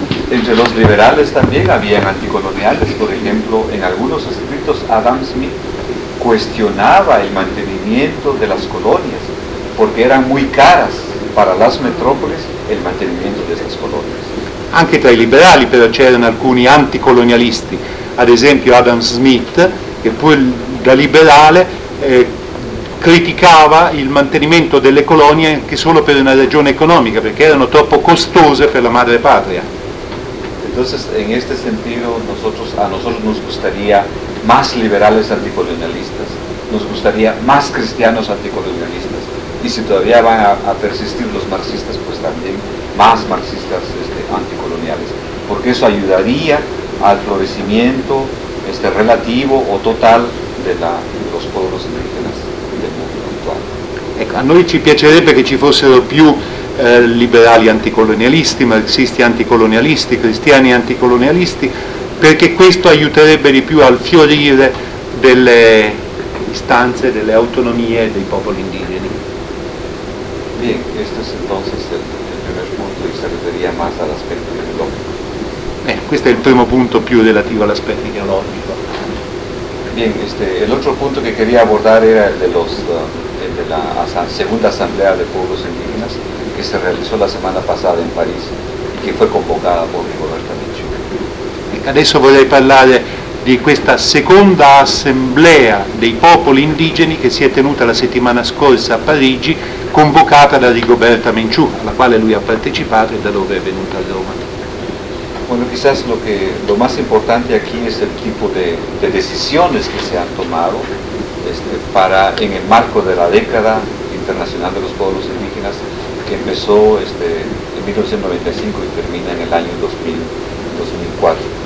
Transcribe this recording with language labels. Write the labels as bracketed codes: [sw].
[es] Entre los liberales también habían anticoloniales, por ejemplo, en algunos escritos Adam Smith cuestionaba el mantenimiento de las colonias, [it] perché erano molto care per le metropoli il mantenimento di queste colonie. Anche tra i liberali però c'erano alcuni anticolonialisti, ad esempio Adam Smith, che poi da liberale criticava il mantenimento delle colonie anche solo per una ragione economica, perché erano troppo costose per la madre patria. [es] Entonces, en este sentido, a nosotros nos gustaría más liberales anticolonialistas, nos gustaría más cristianos anticolonialistas. Y si todavía van a persistir los marxistas, pues también más marxistas anticoloniales, porque eso ayudaría al florecimiento relativo o total de los pueblos indígenas del mundo actual. [it] Ecco, a noi ci piacerebbe che ci fossero più liberali anticolonialisti, marxisti anticolonialisti, cristiani anticolonialisti, perché questo aiuterebbe di più al fiorire delle istanze, delle autonomie dei popoli indigeni. [es] Bien, este es entonces el primer punto y se refería más al aspecto ideológico. Este es el primer punto más relativo al aspecto ideológico. Bien, el otro punto que quería abordar era el de la segunda asamblea de pueblos indígenas que se realizó la semana pasada en París y que fue convocada por Rigoberta Menchú. [it] Adesso vorrei parlare di questa seconda assemblea dei popoli indigeni che si è tenuta la settimana scorsa a Parigi, convocata da Rigoberta Menchú, alla quale lui ha partecipato e da dove è venuta a Roma. [es] Bueno, quizás lo más importante aquí es el tipo de decisiones que se han tomado para, en el marco de la década internacional de los pueblos indígenas, que empezó en 1995 y termina en el año 2004.